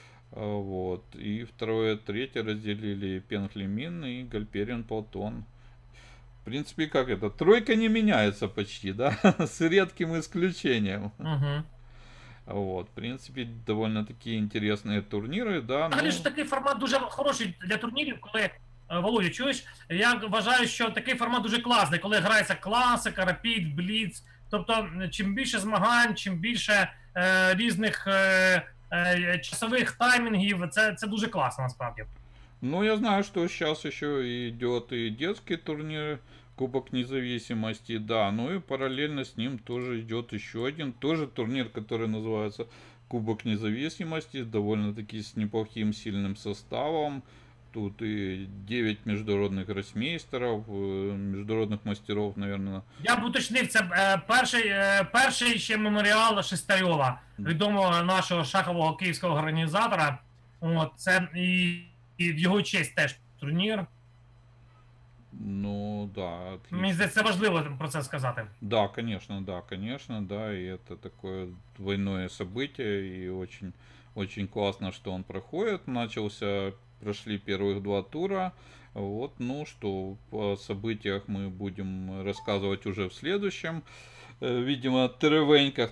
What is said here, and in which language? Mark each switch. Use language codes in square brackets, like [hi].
[ru] Вот, и второе, третье разделили Пенг Ли Мин и Гальперин Платон. В принципе, как это? Тройка не меняется почти, да? С редким исключением. Угу. Вот, в принципе, довольно-таки интересные турниры, да? Так, ну... [uk] Такий формат дуже хороший для турнірів, коли, Володя, чуєш? Я вважаю, що такий формат дуже класний, коли грається класика, рапід, бліц. Тобто, чим більше змагань, чим більше різних часових таймінгів, це дуже класно, насправді. [ru] Ну, я знаю, что сейчас еще идет и детский турнир Кубок Независимости, да, ну и параллельно с ним тоже идет еще один, тоже турнир, который называется Кубок Независимости, довольно-таки с неплохим сильным составом, тут и [uk] 9 міжнародних гроссмейстерів, міжнародних мастерів, [ru] наверное. [uk] Я б уточнив, це перший ще меморіал Шестарьова, відомого нашого шахового київського організатора. От, це і в його честь теж турнір. [ru] Ну, да. Отлично. [uk] Мені здається, це важливо про це сказати. [ru] Да, конечно, да, конечно, да, [uk] і це таке [ru] двойне событие, і очень классно, что он проходит. Прошли первых два тура. Вот, ну что, о событиях мы будем рассказывать уже в следующем, видимо, тревеньках.